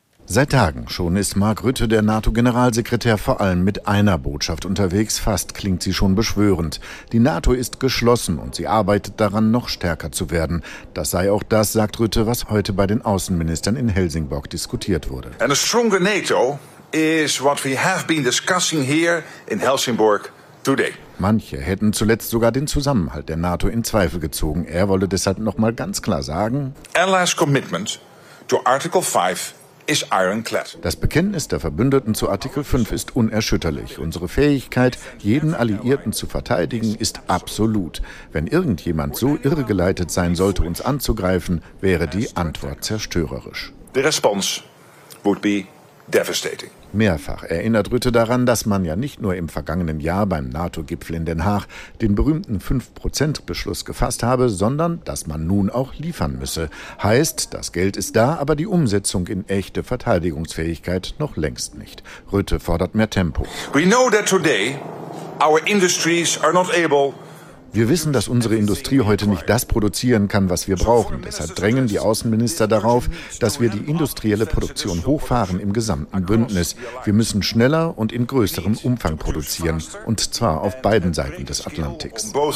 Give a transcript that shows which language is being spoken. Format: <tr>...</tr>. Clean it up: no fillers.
<de>Seit Tagen schon ist Mark Rutte, der NATO-Generalsekretär, vor allem mit einer Botschaft unterwegs. Fast klingt sie schon beschwörend. Die NATO ist geschlossen und sie arbeitet daran, noch stärker zu werden. Das sei auch das, sagt Rutte, was heute bei den Außenministern in Helsingborg diskutiert wurde.</de> <en>And a stronger NATO is what we have been discussing here in Helsingborg today.</en> <de>Manche hätten zuletzt sogar den Zusammenhalt der NATO in Zweifel gezogen. Er wolle deshalb noch mal ganz klar sagen:</de> <en>Allies commitment to Article 5.</en> <de>Das Bekenntnis der Verbündeten zu Artikel 5 ist unerschütterlich. Unsere Fähigkeit, jeden Alliierten zu verteidigen, ist absolut. Wenn irgendjemand so irregeleitet sein sollte, uns anzugreifen, wäre die Antwort zerstörerisch.</de> <en>The response would be devastating.</en> <de>Mehrfach erinnert Rutte daran, dass man ja nicht nur im vergangenen Jahr beim NATO-Gipfel in Den Haag den berühmten 5%-Beschluss gefasst habe, sondern dass man nun auch liefern müsse. Heißt, das Geld ist da, aber die Umsetzung in echte Verteidigungsfähigkeit noch längst nicht. Rutte fordert mehr Tempo.</de> <en>We know that today our industries are not able.</en> <de>Wir wissen, dass unsere Industrie heute nicht das produzieren kann, was wir brauchen. Deshalb drängen die Außenminister darauf, dass wir die industrielle Produktion hochfahren im gesamten Bündnis. Wir müssen schneller und in größerem Umfang produzieren, und zwar auf beiden Seiten des Atlantiks.</de>